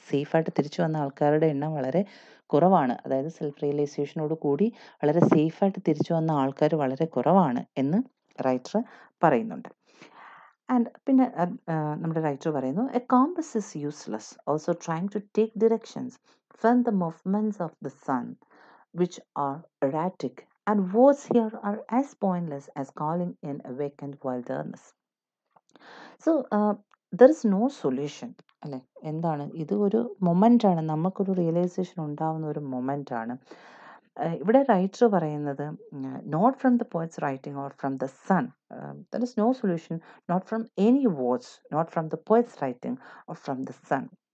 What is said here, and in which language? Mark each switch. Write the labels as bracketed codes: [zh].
[ml] സേഫായിട്ട് തിരിച്ചു വന്ന ആൾക്കാരുടെ എണ്ണം വളരെ കുറവാണ്, അതായത് സെൽഫ് റിയലൈസേഷനോട് കൂടി വളരെ സേഫായിട്ട് തിരിച്ചു വന്ന ആൾക്കാർ വളരെ കുറവാണ് എന്ന് റൈറ്റർ പറയുന്നുണ്ട്. ആൻഡ് പിന്നെ നമ്മുടെ റൈറ്റർ പറയുന്നു, [en] A compass is useless also trying to take directions from the movements of the sun which are erratic. And words here are as pointless as calling in a vacant wilderness. So, there is no solution. [ml] അല്ലേ, എന്താണ് ഇത്? ഒരു moment ആണ്, നമുക്കൊരു realisation ഉണ്ടാവുന്ന ഒരു moment ആണ്. ഇവിടെ റൈറ്റർ പറയുന്നത്, [en] Not from the poet's writing or from the sun, there is no solution, not from any words, not from the poet's writing or from the sun.